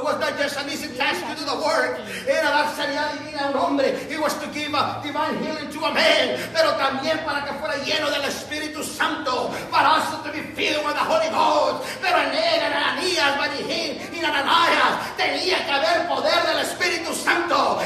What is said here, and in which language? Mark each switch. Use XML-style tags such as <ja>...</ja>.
<en>It was not just an easy task to do the work.</en> <es>Era dar sanidad divina a un hombre.</es> <en>It was to give a divine healing to a man.</en> <es>Pero también para que fuera lleno del Espíritu Santo.</es> <en>Para also to be filled with the Holy Ghost.</en> <es>Pero en él, en Ananías, Manihim y Ananías, tenía que haber poder del Espíritu Santo.</es>